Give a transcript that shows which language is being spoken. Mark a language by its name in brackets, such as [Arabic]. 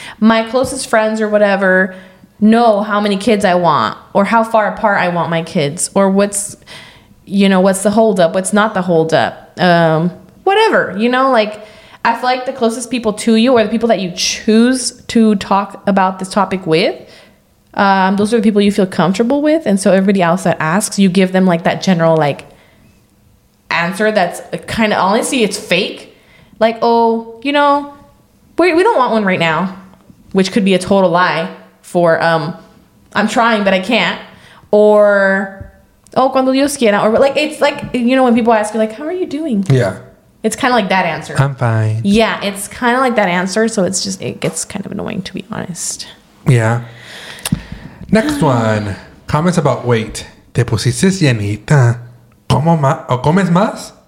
[English] My closest friends or whatever know how many kids I want or how far apart I want my kids or what's, you know, what's the holdup, what's not the holdup, whatever, you know, like, I feel like the closest people to you or the people that you choose to talk about this topic with, those are the people you feel comfortable with. And so everybody else that asks, you give them like that general like answer that's kind of, honestly, it's fake. Like, oh, you know, we don't want one right now, which could be a total lie for I'm trying, but I can't. Or, oh, [Spanish] cuando Dios quiera. [English] Or like, it's like, you know, when people ask you like, how are you doing? Yeah. It's kind of like that answer. I'm fine. Yeah, it's kind of like that answer. So it's just, it gets kind of annoying, to be honest. Yeah. Next one. Comments about weight. [Spanish] ¿Te pusiste llenita? ¿Cómo más? ¿O comes más?